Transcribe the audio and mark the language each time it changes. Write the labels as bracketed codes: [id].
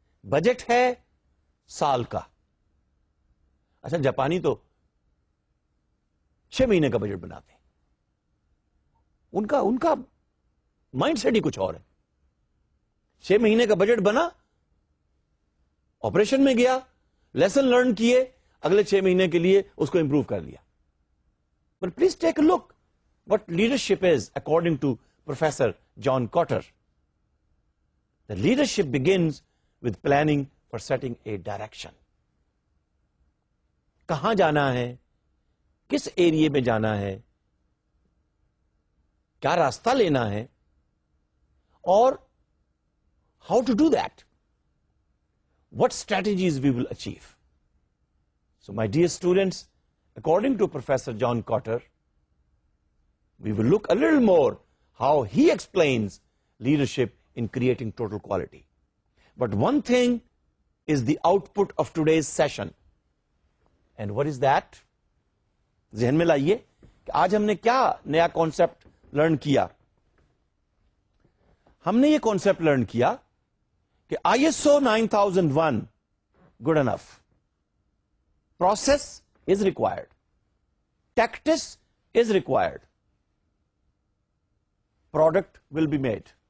[ur] Budget ہے سال کا, اچھا جاپانی تو 6 مہینے کا بجٹ بناتے ہیں, ان کا مائنڈ سیٹ ہی کچھ اور ہے. 6 مہینے کا بجٹ بنا, آپریشن میں گیا, لیسن لرن کیے, اگلے 6 مہینے کے لیے اس کو امپروو کر لیا. [en] But please take a look what leadership is according to professor John Kotter. The leadership begins with planning for setting a direction. [ur] کہاں جانا ہے, کس ایریے میں جانا ہے, کیا راستہ لینا ہے, اور [en] How to do that, what strategies we will achieve. So my dear students, according to professor John Kotter, we will look a little more how he explains leadership in creating total quality. But one thing is the output of today's session. And what is that? [ur] ذہن میں لائیے کہ آج ہم نے کیا نیا concept learn کیا. ہم نے یہ کانسیپٹ لرن کیا کہ [en] ISO 9001 good enough, process is required, tactics is required, product will be made.